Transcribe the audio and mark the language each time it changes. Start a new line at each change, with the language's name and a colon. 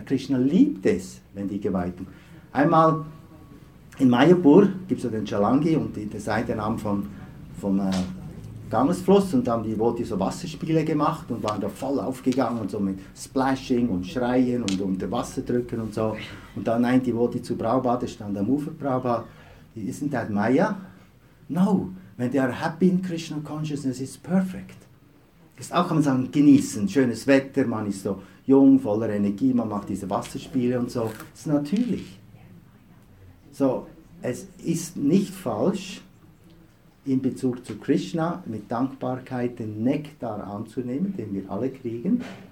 German: Krishna liebt es, wenn die Geweihten. Einmal in Mayapur gibt es ja den Jalangi und der Seitennamen vom Gangesfluss und haben die Voti so Wasserspiele gemacht und waren da voll aufgegangen und so mit Splashing und Schreien und unter Wasser drücken und so. Und dann nein, die Voti zu Prabhupada, der stand am Ufer Prabhupada,
English: isn't that Maya? No, when they are happy in Krishna consciousness, it's perfect.
German: Ist auch, kann man sagen, genießen, schönes Wetter, man ist so jung, voller Energie, man macht diese Wasserspiele und so. Das ist natürlich. So, es ist nicht falsch, in Bezug zu Krishna mit Dankbarkeit den Nektar anzunehmen, den wir alle kriegen.